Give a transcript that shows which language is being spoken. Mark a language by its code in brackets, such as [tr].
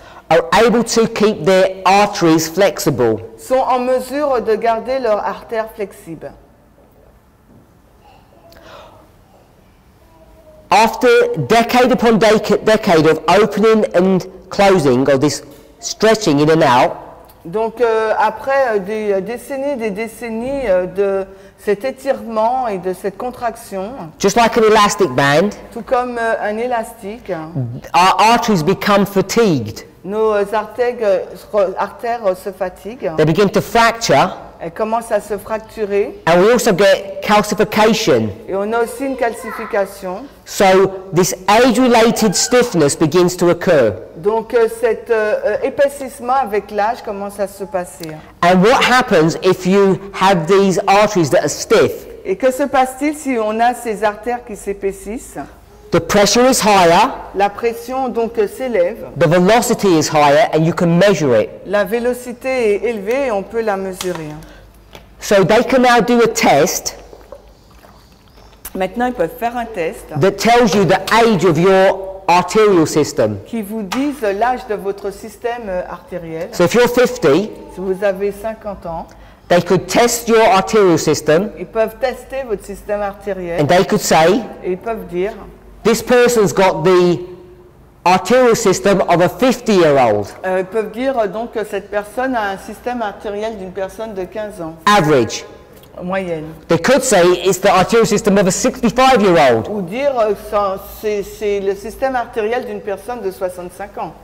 [en] Are able to keep their arteries flexible. [fr] Sont en mesure de garder leur artère flexible. [en] After decade upon decade of opening and closing of this stretching in and out. [fr] Donc après des décennies de cet étirement et de cette contraction. [en] Just like an elastic band. [fr] Tout comme un élastique. [en] Our arteries become fatigued. [fr] Nos artères se fatiguent. [en] They begin to fracture. [fr] Elles commencent à se fracturer. [en] And we also get calcification. [fr] Et on a aussi une calcification. [en] So this age-related stiffness begins to occur. [fr] Donc cet épaississement avec l'âge commence à se passer. [en] And what happens if you have these arteries that are stiff? [fr] Et que se passe-t-il si on a ces artères qui s'épaississent? [en] The pressure is higher. [fr] La pression donc s'élève. [en] The velocity is higher and you can measure it. [fr] La vélocité est élevée et on peut la mesurer. [en] So they can now do a test. [fr] Maintenant, ils peuvent faire un test. [en] That tells you the age of your arterial system. [fr] Qui vous dise l'âge de votre système artériel. [en] So if you're 50, [fr] si vous avez 50 ans, [en] they could test your arterial system. [fr] Ils peuvent tester votre système artériel. [en] And they could say, [fr] et ils peuvent dire, [en] this person's got the arterial system of a 50-year-old. [fr] Ils peuvent dire donc que cette personne a un système artériel d'une personne de 15 ans. [en] Average. [fr] Moyenne. [en] They could say it's the arterial system of a 65-year-old. [fr] Ou dire c'est le système artériel d'une personne de 65 ans.